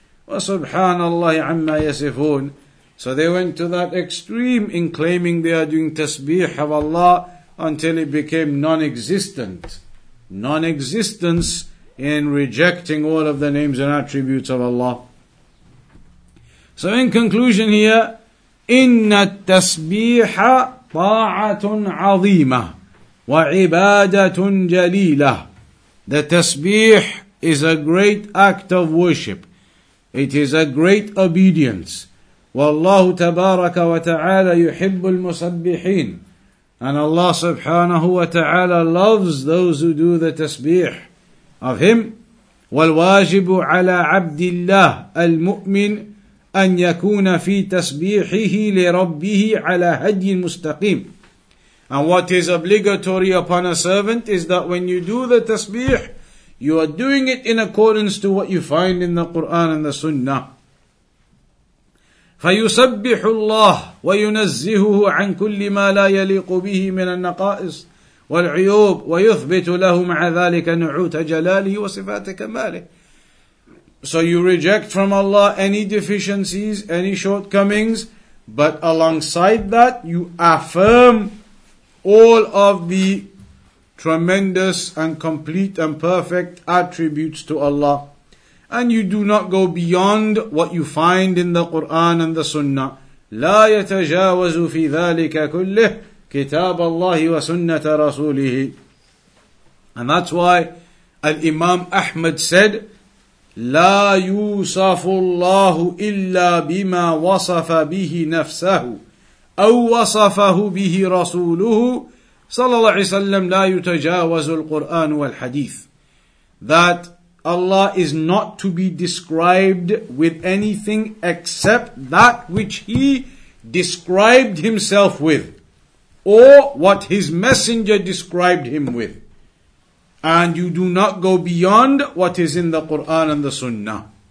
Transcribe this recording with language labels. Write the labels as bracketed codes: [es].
[ar] وَسُبْحَانَ اللَّهِ عَمَّا يَسِفُونَ. [en] So they went to that extreme in claiming they are doing tasbih of Allah until it became non-existent. Non-existence in rejecting all of the names and attributes of Allah. So in conclusion here, [ar] إِنَّ التَّسْبِيحَ طَاعَةٌ عَظِيمَةٌ وَعِبَادَةٌ جَلِيلَةٌ. [en] The tasbih is a great act of worship. It is a great obedience. [ar] وَاللَّهُ تَبَارَكَ وَتَعَالَى يُحِبُّ الْمُسَبِّحِينَ. [en] And Allah subhanahu wa ta'ala loves those who do the tasbih of Him. [ar] وَالْوَاجِبُ عَلَى عَبْدِ اللَّهِ الْمُؤْمِنِ أن يكون في تسبيحه لربه على هدي مستقيم. [en] And what is obligatory upon a servant is that when you do the tasbih, you are doing it in accordance to what you find in the Quran and the Sunnah. [ar] فيسبح الله وينزهه عن كل ما لا يليق به من النقائص والعيوب ويثبت له مع ذلك نعوت جلاله وصفات كماله. [en] So you reject from Allah any deficiencies, any shortcomings, but alongside that you affirm all of the tremendous and complete and perfect attributes to Allah. And you do not go beyond what you find in the Quran and the Sunnah. [ar] لا يتجاوز في ذلك كله كتاب الله وسنة رسوله. [en] And that's why Al-Imam Ahmad said, [ar] لا يوصف الله إلا بما وصف به نفسه أو وصفه به رسوله صلى الله عليه وسلم لا يتجاوز القرآن والحديث. [en] That Allah is not to be described with anything except that which He described Himself with, or what His Messenger described Him with. And you do not go beyond what is in the Qur'an and the Sunnah.